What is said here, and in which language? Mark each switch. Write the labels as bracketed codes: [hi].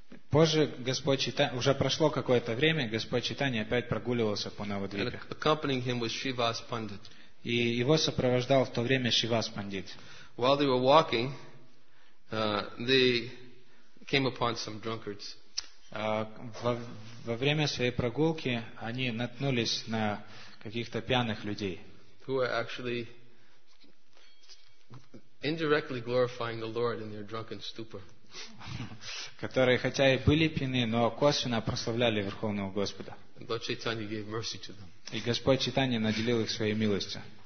[ru] Позже Господь Чайтанья, уже прошло какое-то время, Господь Чайтанья опять прогуливался по Навадвипе. И его сопровождал в то время Шивас Пандит. [en] While they were walking, they came upon some drunkards. [ru] Во время своей прогулки они наткнулись на каких-то пьяных людей. [en] Who were actually indirectly glorifying the Lord in their drunken stupor. [ru] Которые хотя и были пьяны, но косвенно прославляли Верховного Господа. И Господь Чайтанья наделил их своей милостью.